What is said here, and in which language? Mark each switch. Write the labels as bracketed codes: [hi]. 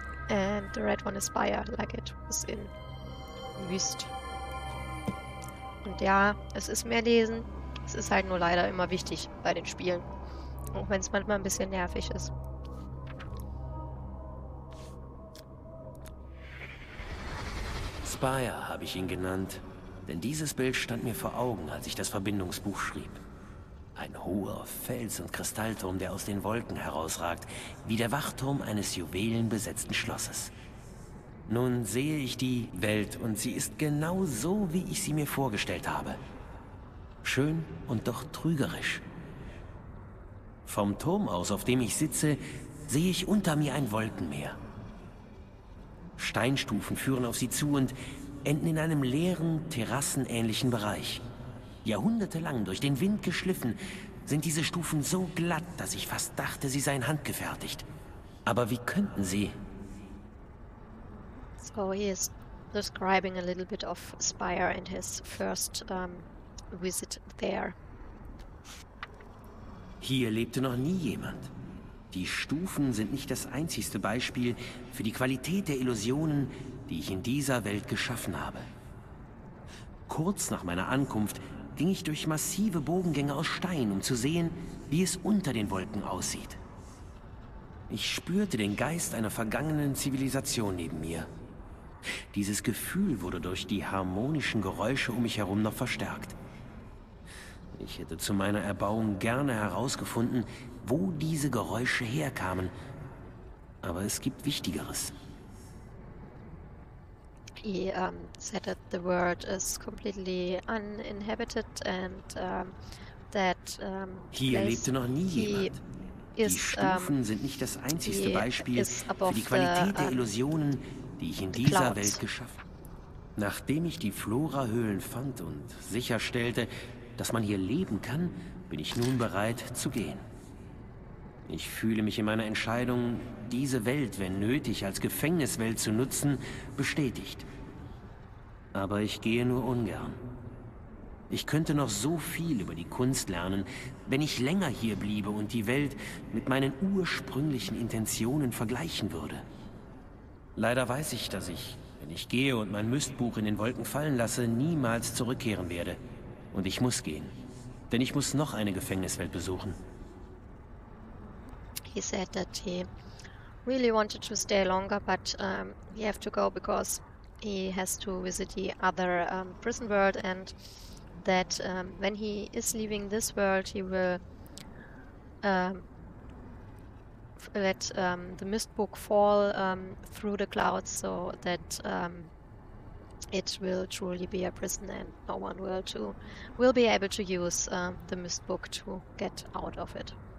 [en] And the red one is Spire, like it was in Myst. [de] Und ja, es ist mehr lesen. Es ist halt nur leider immer wichtig bei den Spielen. Auch wenn es manchmal ein bisschen nervig ist. Spire habe ich ihn genannt, denn dieses Bild stand mir vor Augen, als ich das Verbindungsbuch schrieb. Ein hoher Fels- und Kristallturm, der aus den Wolken herausragt, wie der Wachturm eines juwelenbesetzten Schlosses. Nun sehe ich die Welt und sie ist genau so, wie ich sie mir vorgestellt habe. Schön und doch trügerisch. Vom Turm aus, auf dem ich sitze, sehe ich unter mir ein Wolkenmeer. Steinstufen führen auf sie zu und enden in einem leeren, terrassenähnlichen Bereich. Jahrhundertelang durch den Wind geschliffen, sind diese Stufen so glatt, dass ich fast dachte, sie seien handgefertigt. Aber wie könnten sie? [en] So, he is describing a little bit of Spire and his first visit there. [de] Hier lebte noch nie jemand. Die Stufen sind nicht das einzigste Beispiel für die Qualität der Illusionen, die ich in dieser Welt geschaffen habe. Kurz nach meiner Ankunft ging ich durch massive Bogengänge aus Stein, um zu sehen, wie es unter den Wolken aussieht. Ich spürte den Geist einer vergangenen Zivilisation neben mir. Dieses Gefühl wurde durch die harmonischen Geräusche um mich herum noch verstärkt. Ich hätte zu meiner Erbauung gerne herausgefunden, wo diese Geräusche herkamen. Aber es gibt Wichtigeres. [en] He said that the world is completely uninhabited and that [de] hier lebte noch nie jemand. Die Stufen sind nicht das einzigste Beispiel für die Qualität der Illusionen, die ich in dieser Welt geschaffen habe. Nachdem ich die Flora-Höhlen fand und sicherstellte, dass man hier leben kann, bin ich nun bereit zu gehen. Ich fühle mich in meiner Entscheidung, diese Welt, wenn nötig, als Gefängniswelt zu nutzen, bestätigt. Aber ich gehe nur ungern. Ich könnte noch so viel über die Kunst lernen, wenn ich länger hier bliebe und die Welt mit meinen ursprünglichen Intentionen vergleichen würde. Leider weiß ich, dass ich, wenn ich gehe und mein Mystbuch in den Wolken fallen lasse, niemals zurückkehren werde. Und ich muss gehen, denn ich muss noch eine Gefängniswelt besuchen. [en] He said that he really wanted to stay longer, but he have to go because he has to visit the other prison world, and that when he is leaving this world, he will let the mist book fall through the clouds, so that it will truly be a prison, and no one will be able to use the mist book to get out of it.